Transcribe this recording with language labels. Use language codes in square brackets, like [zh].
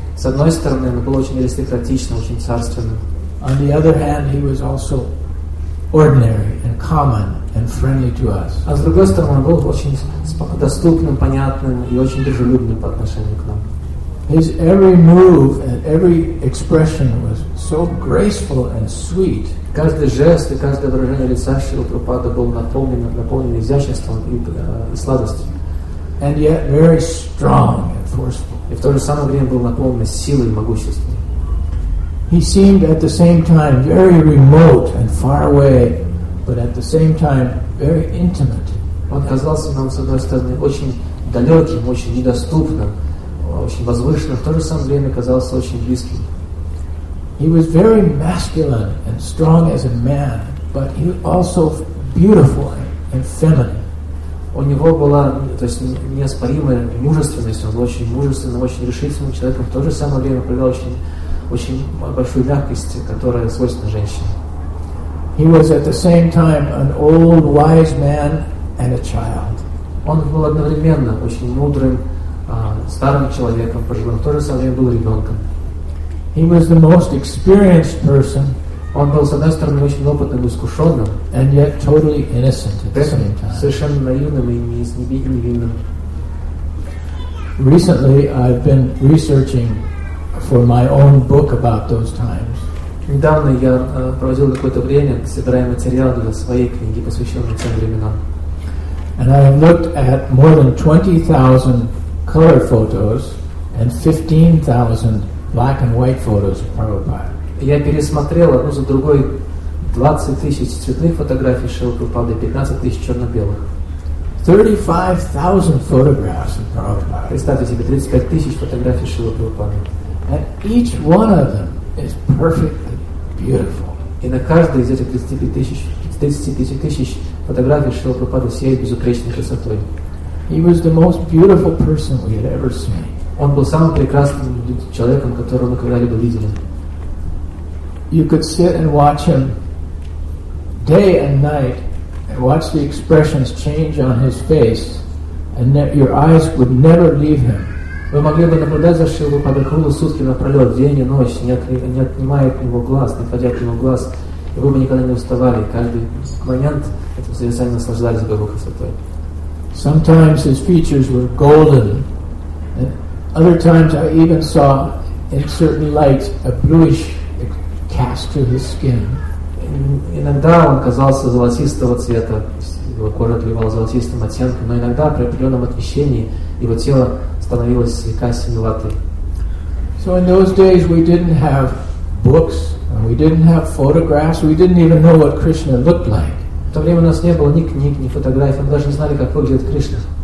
[ru] С одной стороны, он был очень аристократичным, очень царственным. [en] On the other hand, he was also ordinary and common and friendly to us. [ru] А с другой стороны, он был очень доступным, понятным и очень дружелюбным по отношению к нам. [en] His every move and every expression was so graceful and sweet. [ru] Каждый жест и каждое выражение лица Шрилы Прабхупады был наполнен изяществом и сладостью. [en] And yet very strong and forceful. [ru] И в то же самое время был наполнен силой и могуществом. [en] He seemed at the same time very remote and far away, but at the same time very intimate. [ru] Он казался нам, с одной стороны, очень далеким, очень недоступным, очень возвышенным, в то же самое время казался очень близким. [en] He was very masculine and strong as a man, but he was also beautiful and feminine. [ru] У него была, то есть, неоспоримая мужественность. Он был очень мужественным, очень решительным человеком. В то же самое время проявлял очень, очень большую мягкость, которая свойственна женщине. [en] He was at the same time an old, wise man and a child. [ru] Он был одновременно очень мудрым, старым человеком, пожилым. В то же самое время был ребенком. [en] He was the most experienced person. [ru] Он был, с одной стороны, очень опытным и искушенным, [en] and yet totally innocent at the same time. [ru] Совершенно наивным и невинным. [en] Recently, I've been researching for my own book about those times. [ru] Недавно я проводил какое-то время, собирая материал для своей книги, посвященной тем временам. [en] And I have looked at more than 20,000 color photos and 15,000 black and white photos of Prabhupada. [ru] Я пересмотрел одну за другой 20 тысяч цветных фотографий Шрилы Прабхупады и 15 тысяч черно-белых. [en] 35,000 photographs of Prabhupada. [ru] Представьте себе 35,000 фотографий Шрилы Прабхупады. [en] And each one of them is perfectly beautiful. [ru] И на каждой из этих 35,000 фотографий Шрилы Прабхупады сияет безупречной красотой. [en] He was the most beautiful person we had ever seen. [ru] Он был самым прекрасным человеком, которого мы когда-либо видели. [en] You could sit and watch him day and night and watch the expressions change on his face and that your eyes would never leave him. [ru] Вы могли бы наблюдать за Шрилой Прабхупадой сутки напролет, день и ночь, не отнимая от него глаз, не отводя от него глаз, и вы бы никогда не уставали. Каждый момент этого созерцания наслаждались бы его красотой. [en] Sometimes his features were golden. Other times I even saw in certain lights a bluish cast to his skin. [ru] Иногда он казался золотистого цвета, его кожа отливала золотистым оттенком, но иногда при определенном освещении его тело становилось слегка синеватым. [en] So in those days we didn't have books, we didn't have photographs, we didn't even know what Krishna looked like. [ru] В то время у нас не было ни книг, ни фотографий, мы даже не знали, как выглядит Кришна.